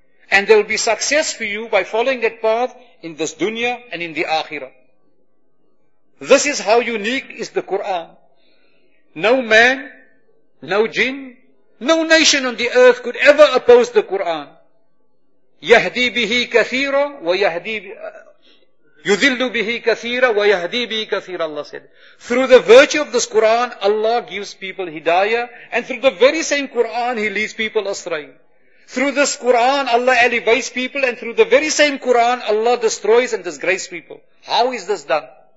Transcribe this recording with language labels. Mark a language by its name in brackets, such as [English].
[English] And there will be success for you by following that path in this dunya and in the akhirah. This is how unique is the Quran. No man, no jinn, no nation on the earth could ever oppose the Quran. [Arabic] يَهْدِي بِهِ كَثِيرًا يُذِلُّ بِهِ كَثِيرًا وَيَهْدِي بِهِ كَثِيرًا [English] Allah said. Through the virtue of this Quran, Allah gives people hidayah, and through the very same Quran, He leads people astray. Through this Quran, Allah elevates people, and through the very same Quran, Allah destroys and disgraces people. How is this done?